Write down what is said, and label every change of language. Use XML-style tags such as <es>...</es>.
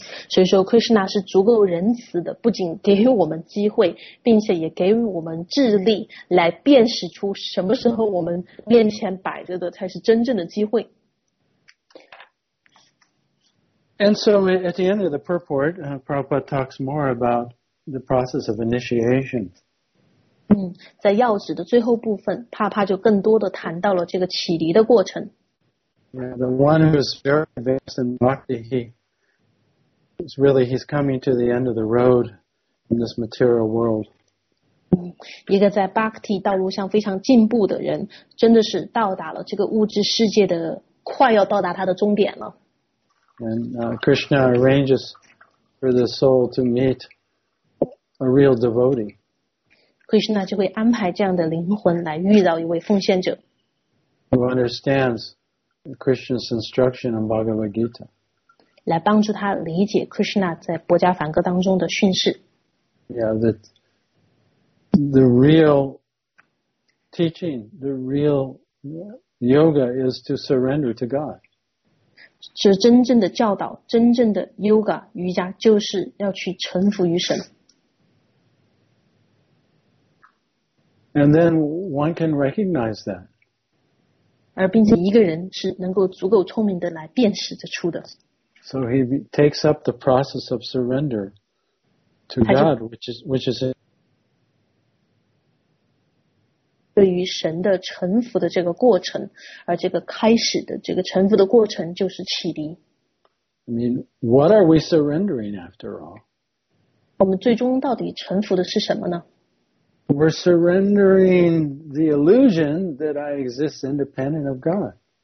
<zh>所以说 Krishna 是足够仁慈的，不仅给予我们机会，并且也给予我们智力来辨识出什么时候我们面前摆着的才是真正的机会。</zh> <en>And so at the end of the purport, Prabhupada talks more about the process of initiation.</en> <zh>在要旨的最后部分，帕帕就更多的谈到了这个启迪的过程。</zh> <en>The one who is very advanced in bhakti, he's coming to the end of the road in this material world.</en> <zh>一个在 bhakti 道路上非常进步的人，真的是到达了这个物质世界的，快要到达他的终点了。</zh> <en>And Krishna arranges for the soul to meet a real devotee.</en> <zh>Krishna 就会安排这样的灵魂来遇到一位奉献者。</zh> <en>Who understands Krishna's instruction in Bhagavad Gita.</en> <zh>来帮助他理解 Krishna 在博迦梵歌当中的训示。</zh> <en>Yeah, the real teaching, the real yoga is to surrender to God.</en> <zh>是真正的教导，真正的 yoga 瑜伽就是要去臣服于神。</zh> <en>And then one can recognize that.</en> <zh>而并且一个人是能够足够聪明的来辨识得出的。</zh> <en>So he takes up the process of surrender to God, which is.</en> <zh>对于神的臣服的这个过程，而这个开始的这个臣服的过程就是启迪。</zh> <en>I mean, what are we surrendering after all?</en> <zh>我们最终到底臣服的是什么呢？</zh> <en>We're surrendering the illusion that I exist independent of God.</en>